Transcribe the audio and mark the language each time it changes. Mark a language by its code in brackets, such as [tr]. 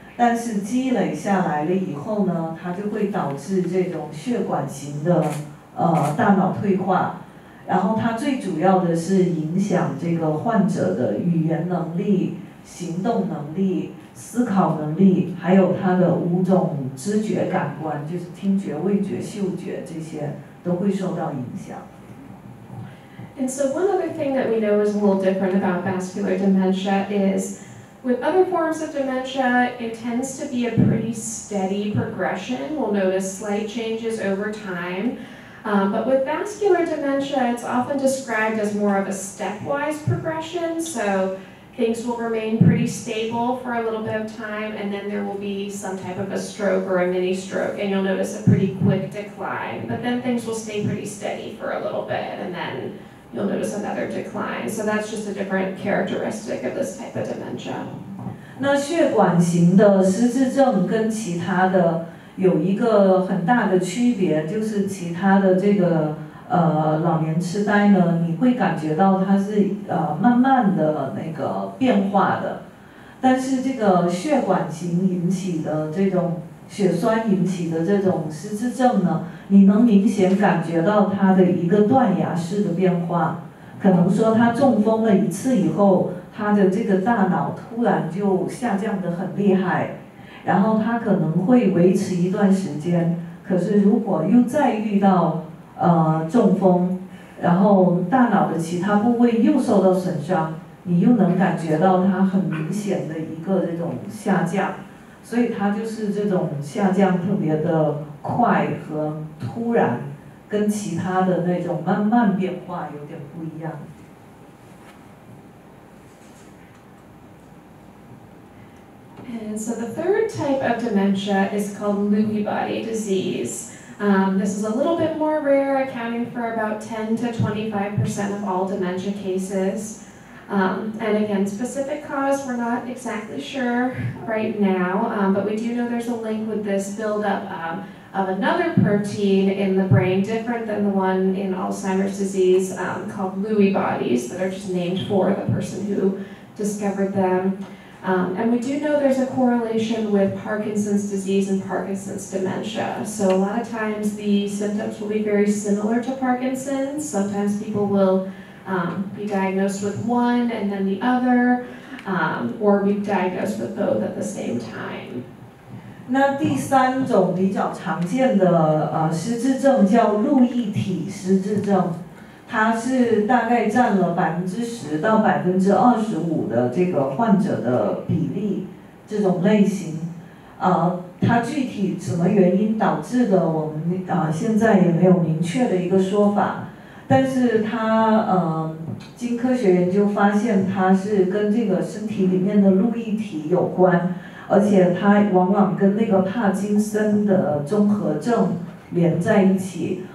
[zh] 但是积累下来了以后呢，它就会导致这种血管型的大脑退化，然后它最主要的是影响这个患者的语言能力、行动能力、思考能力，还有他的五种知觉感官，就是听觉、味觉、嗅觉，这些都会受到影响。 [en] And so one other thing that we know is a little different about vascular dementia is,with other forms of dementia, it tends to be a pretty steady progression. We'll notice slight changes over time. But with vascular dementia, it's often described as more of a stepwise progression. So things will remain pretty stable for a little bit of time, and then there will be some type of a stroke or a mini stroke, and you'll notice a pretty quick decline. But then things will stay pretty steady for a little bit, and then... you'll notice another decline. So that's just a different characteristic of this type of dementia. [zh] 那血管型的失智症跟其他的有一个很大的区别，就是其他的这个老年痴呆呢，你会感觉到它是慢慢的那个变化的，但是这个血管型引起的这种血栓引起的这种失智症呢，你能明显感觉到他的一个断崖式的变化。可能说他中风了一次以后，他的这个大脑突然就下降得很厉害，然后他可能会维持一段时间，可是如果又再遇到中风，然后大脑的其他部位又受到损伤，你又能感觉到它很明显的一个这种下降，所以它就是这种下降特别的快和突然，跟其他的那种慢慢变化有点不一样。 [en] And so the third type of dementia is called Lewy body disease. This is a little bit more rare, accounting for about 10 to 25% of all dementia cases. And again, specific cause, we're not exactly sure right now, but we do know there's a link with this buildup of another protein in the brain, different than the one in Alzheimer's disease, called Lewy bodies, that are just named for the person who discovered them. And we do know there's a correlation with Parkinson's disease and Parkinson's dementia. So a lot of times the symptoms will be very similar to Parkinson's. Sometimes people will be diagnosed with one and then the other, or be diagnosed with both at the same time. [zh] 那第三种比较常见的失智症叫路易体失智症。它是大概占了10%到25%的这个患者的比例，这种类型，它具体什么原因导致的，我们现在也没有明确的一个说法，但是它经科学研究发现，它是跟这个身体里面的路易体有关，而且它往往跟那个帕金森的综合症连在一起。